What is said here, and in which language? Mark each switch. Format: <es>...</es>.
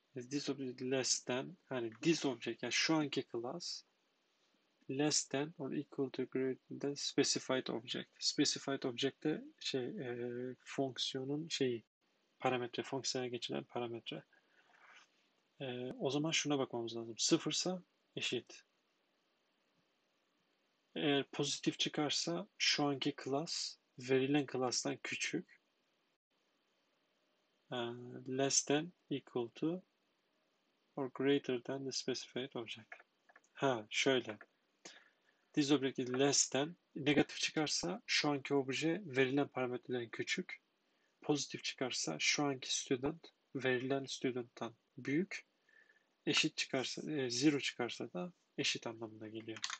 <en>This object less than, hani this object,</en> <tr>yani şu anki</tr> <en>class less than or equal to greater than specified object.</en> <tr>Specified object de şey, fonksiyonun şeyi, parametre, fonksiyona geçilen parametre. O zaman şuna bakmamız lazım. Sıfırsa eşit. Eğer pozitif çıkarsa şu anki class verilen class'tan küçük.</tr> <en>Less than equal to or greater than the specified object.</en> <tr>Ha şöyle.</tr> <en>This object is less than.</en> <tr>Negatif çıkarsa şu anki obje verilen parametreden küçük. Pozitif çıkarsa şu anki student verilen student'tan büyük. Eşit çıkarsa, zero çıkarsa da eşit anlamına geliyor.</tr>